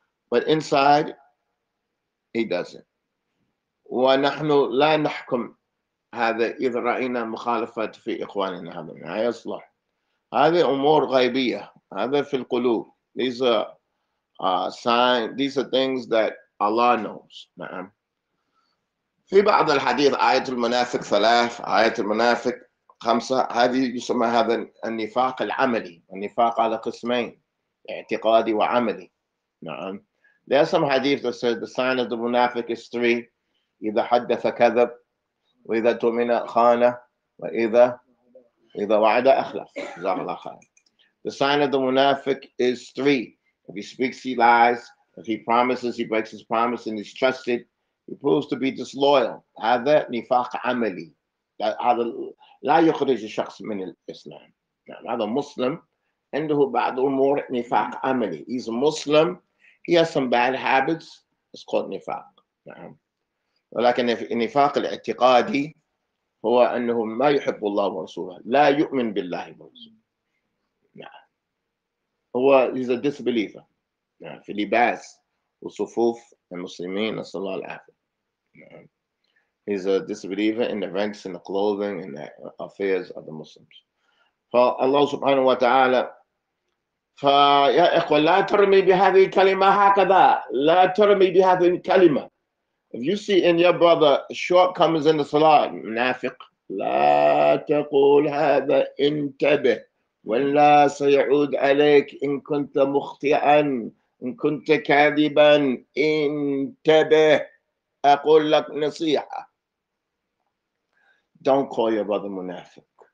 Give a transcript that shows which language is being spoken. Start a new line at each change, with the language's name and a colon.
English: But inside, he doesn't.
Arabic: وَنَحْنُ لَا نَحْكُمْ هَذَا إِذْ رَأِيْنَا مُخَالَفَةَ فِي إِخْوَانِنَا هَذَا لَا يَصْلَحْ. هذه أمور غيبية. هذا في القلوب.
English: These are signs. These are things that Allah knows.
Arabic: نعم. في بعض الحديث آية المنافق ثلاث، آية المنافق خمسة. هذه يسمى هذا النفاق العملي. النفاق على قسمين. اعتقادي وعملي. نعم.
English: There are some hadith that said the sign of the munafiq is three.
Arabic: إذا حدث كذب وإذا تؤمن خان وإذا وعد أخلف.
English: The sign of the munafiq is three. If he speaks, he lies. If he promises, he breaks his promise and he's trusted. He proves to be disloyal.
Arabic: هذا نفاق عملي. هذا لا يخرج الشخص من الإسلام. هذا مسلم عنده بعض أمور نفاق عملي.
English: He's a Muslim. He has some bad habits. It's called nifaq. نعم.
Arabic: ولكن النفاق الاعتقادي هو أنه ما يحب الله ورسوله. لا يؤمن بالله ورسوله. نعم. هو
English: is a disbeliever.
Arabic: نعم. في لباس وصفوف المسلمين صلى الله عليه وسلم. نعم.
English: He's a disbeliever in the ranks and the clothing and the affairs of the Muslims.
Arabic: فالله سبحانه وتعالى فيا إخوة لا ترمي بهذه الكلمة هكذا. لا ترمي بهذه الكلمة.
English: If you see in your brother shortcomings in the salah, منافق.
Arabic: لا تقول هذا انتبه. ولا سيعود عليك إن كنت مخطئا. إن كنت كاذبا. انتبه. أقول لك نصيحة.
English: Don't call your brother منافق.